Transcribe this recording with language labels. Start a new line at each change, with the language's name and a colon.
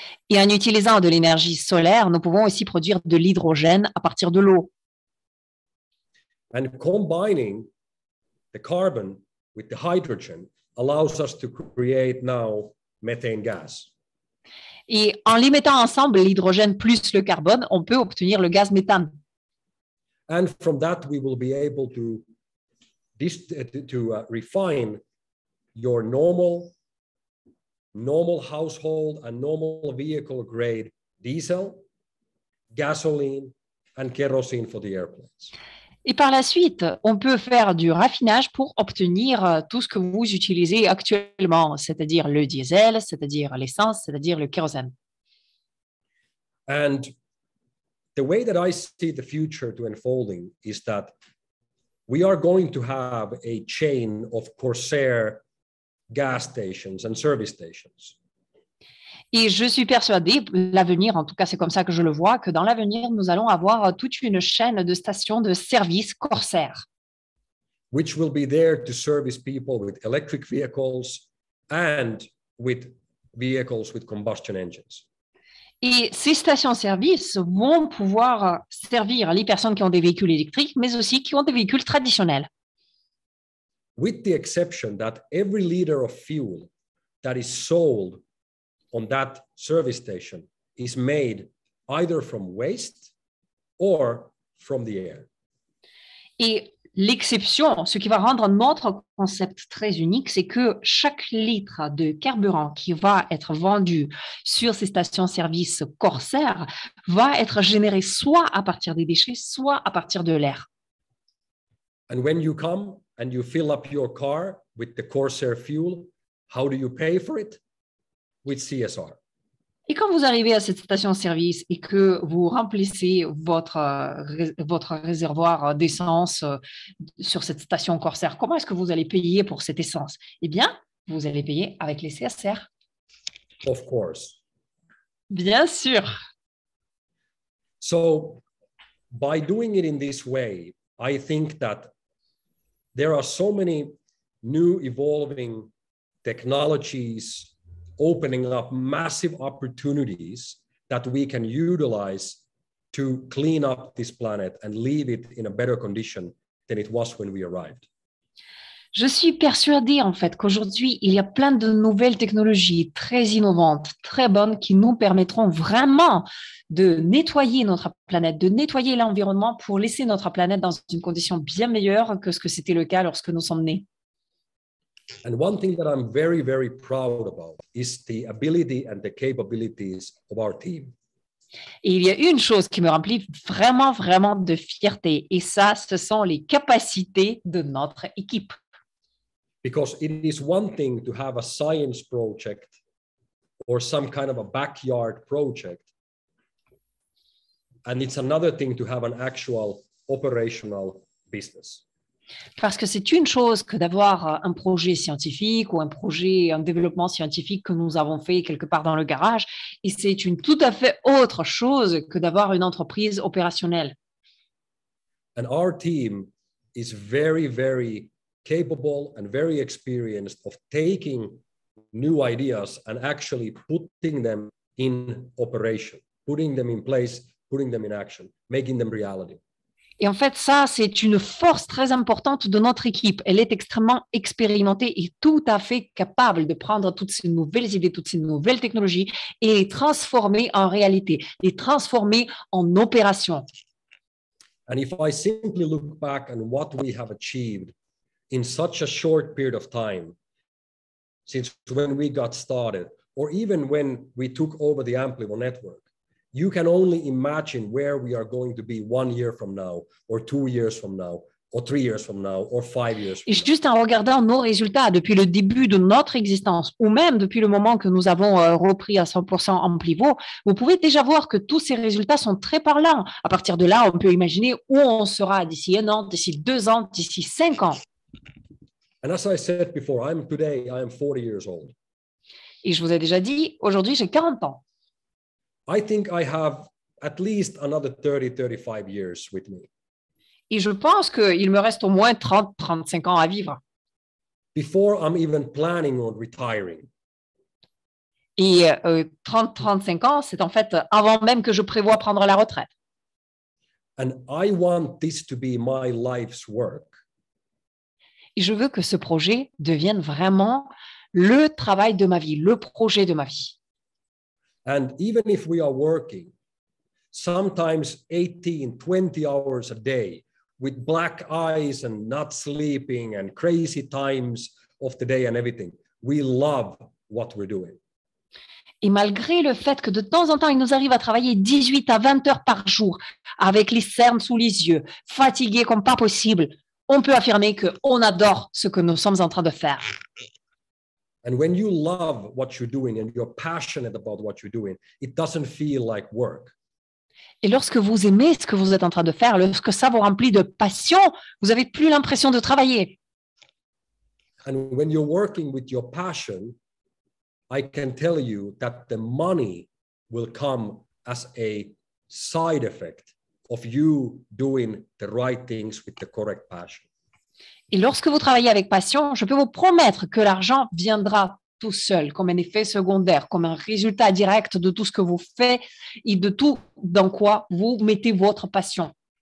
French: Et en utilisant de l'énergie solaire, nous pouvons aussi produire de l'hydrogène à partir de l'eau.
English: And combining the carbon with the hydrogen allows us to create now methane gas.
French: Et en les mettant ensemble, l'hydrogène plus le carbone, on peut obtenir le gaz méthane.
English: And from that, we will be able to refine your normal household and normal vehicle grade diesel, gasoline, and kerosene for the airplanes.
French: Et par la suite, on peut faire du raffinage pour obtenir tout ce que vous utilisez actuellement, c'est-à-dire le diesel, c'est-à-dire l'essence, c'est-à-dire le kérosène.
English: And the way that I see the future to unfolding is that we are going to have a chain of Corsair gas stations and service stations.
French: Et je suis persuadé, l'avenir, en tout cas, c'est comme ça que je le vois, que dans l'avenir, nous allons avoir toute une chaîne de stations de service Corsair.
English: Which will be there to service people with electric vehicles and with vehicles with combustion engines.
French: Et ces stations-service vont pouvoir servir les personnes qui ont des véhicules électriques, mais aussi qui ont des véhicules traditionnels.
English: With the exception that every liter of fuel that is sold on that service station is made either from waste or from the air.
French: Et l'exception, ce qui va rendre notre concept très unique, c'est que chaque litre de carburant qui va être vendu sur ces stations-service Corsair va être généré soit à partir des déchets, soit à partir de l'air.
English: And when you come and you fill up your car with the Corsair fuel, how do you pay for it? With CSR.
French: Et quand vous arrivez à cette station-service et que vous remplissez votre réservoir d'essence sur cette station Corsair, comment est-ce que vous allez payer pour cette essence? Eh bien, vous allez payer avec les CSR.
English: Of course.
French: Bien sûr.
English: So, by doing it in this way, I think that there are so many new evolving technologies opening up massive opportunities that we can utilize to clean up this planet and leave it in a better condition than it was when we arrived.
French: Je suis persuadée en fait qu'aujourd'hui il y a plein de nouvelles technologies très innovantes, très bonnes qui nous permettront vraiment de nettoyer notre planète, de nettoyer l'environnement pour laisser notre planète dans une condition bien meilleure que ce que c'était le cas lorsque nous sommes nés.
English: And one thing that I'm very, very proud about is the ability and the capabilities of our team.
French: Et il y a une chose qui me remplit vraiment, vraiment de fierté, et ça, ce sont les capacités de notre équipe.
English: Because it is one thing to have a science project or some kind of a backyard project, and it's another thing to have an actual operational business.
French: Parce que c'est une chose que d'avoir un projet scientifique ou un projet, un développement scientifique que nous avons fait quelque part dans le garage, et c'est une tout à fait autre chose que d'avoir une entreprise opérationnelle.
English: And our team is very, very capable and very experienced of taking new ideas and actually putting them in operation, putting them in place, putting them in action, making them reality.
French: Et en fait, ça, c'est une force très importante de notre équipe. Elle est extrêmement expérimentée et tout à fait capable de prendre toutes ces nouvelles idées, toutes ces nouvelles technologies et les transformer en réalité, les transformer en opération.
English: And if I simply look back on what we have achieved in such a short period of time, since when we got started, or even when we took over the Amplivo network, you can only imagine where we are going to be 1 year from now, or 2 years from now, or 3 years from now, or 5 years from now.
French: Juste en regardant nos résultats depuis le début de notre existence, ou même depuis le moment que nous avons repris à 100% Amplivo, vous pouvez déjà voir que tous ces résultats sont très parlants. À partir de là, on peut imaginer où on sera d'ici un an, d'ici 2 ans, d'ici 5 ans.
English: And as I said before, I am 40 years old.
French: Et je vous ai déjà dit, aujourd'hui j'ai 40 ans.
English: I think I have at least another 30-35 years with me.
French: Et je pense qu'il me reste au moins 30-35 ans à vivre.
English: Before I'm even planning on retiring.
French: Et 30-35 ans, c'est en fait avant même que je prévois prendre la retraite.
English: And I want this to be my life's work.
French: Et je veux que ce projet devienne vraiment le travail de ma vie, le projet de ma vie.
English: And even if we are working, sometimes 18, 20 hours a day with black eyes and not sleeping and crazy times of the day and everything. We love what we're doing.
French: Et malgré le fait que de temps en temps, il nous arrive à travailler 18 à 20 heures par jour avec les cernes sous les yeux, fatigués comme pas possible, on peut affirmer qu'on adore ce que nous sommes en train de faire.
English: And when you love what you're doing and you're passionate about what you're doing, it doesn't feel like work.
French: Et lorsque vous aimez ce que vous êtes en train de faire, lorsque ça vous remplit de passion, vous n'avez plus l'impression de travailler.
English: And when you're working with your passion, I can tell you that the money will come as a side effect of you doing the right things with the correct passion.
French: Et lorsque vous travaillez avec passion, je peux vous promettre que l'argent viendra tout seul, comme un effet secondaire, comme un résultat direct de tout ce que vous faites et de tout dans quoi vous mettez votre passion.